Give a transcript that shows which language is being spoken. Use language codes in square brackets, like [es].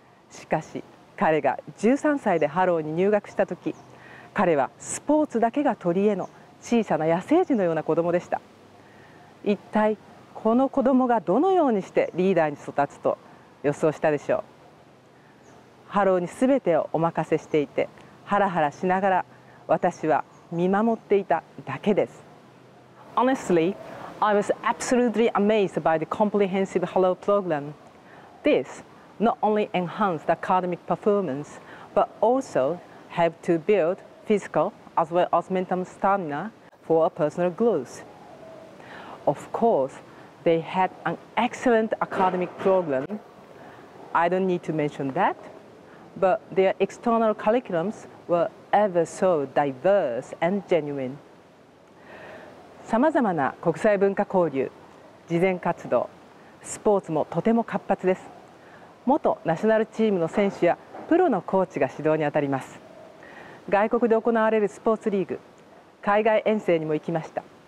[ja] しかし、彼が13歳でハローに入学したとき、彼はスポーツだけが取り柄の小さな野生児のような子供でした。一体この子供がどのようにしてリーダーに育つと予想したでしょう。ハローに全てをお任せしていて、ハラハラしながら私は見守っていただけです。 [en] Honestly, I was absolutely amazed by the comprehensive Harrow program. This not only enhanced academic performance, but also helped to build physical as well as mental stamina for a personal growth. Of course, they had an excellent academic program. I don't need to mention that, but their external curriculums were ever so diverse and genuine. [ja] さまざまな国際文化交流、慈善活動、スポーツもとても活発です。元ナショナルチームの選手やプロのコーチが指導に当たります。外国で行われるスポーツリーグ、海外遠征にも行きました。